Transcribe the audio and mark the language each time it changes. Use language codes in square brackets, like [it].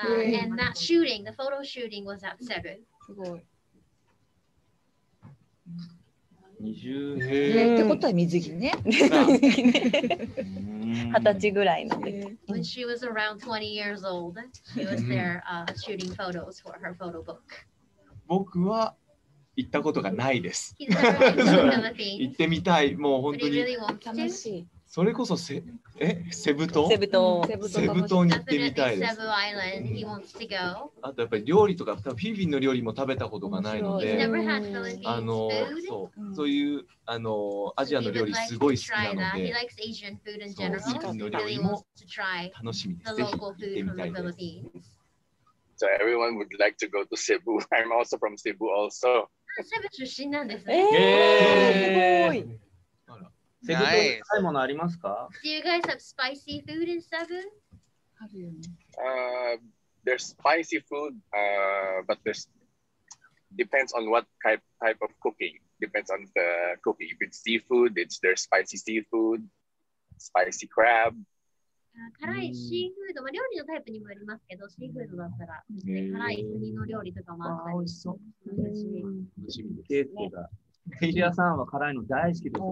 [en] And that shooting, the photo shooting was at Cebu. [ja] すごい。 20年。ってことは水着ね。二十歳ぐらいの時。 [en] When she was around 20 years old, she was there shooting photos for her photo book. [ja] 僕は行ったことがないです。 [en] He's never been to the Philippines. [ja] 行ってみたい、もう本当に。 [en] But he really wants to. [ja] それこそセ、え、セブ島？セブ島。セブ島に行ってみたいです。あとやっぱり料理とか、フィフィンの料理も食べたことがないので、あの、そう、そういうあのアジアの料理すごい好きなので、フィフィンの料理も楽しみです。ぜひ行ってみたいです。 [en] So everyone would like to go to Cebu. I'm also from Cebu also. [ja] Cebu 出身なんですね。すごい。Cebu で辛いものありますか？ [en] Do you guys have spicy food in Cebu? There's spicy food, but this depends on what type of cooking. Depends on the cooking. If it's seafood, there's spicy seafood, spicy crab. [ja] 辛いシーフード、まあ、料理のタイプにもよりますけど、シーフードだったら、辛い国の料理とかもあったり、美味しそう。楽しみですね。ケイチヤさんは辛いの大好きですか？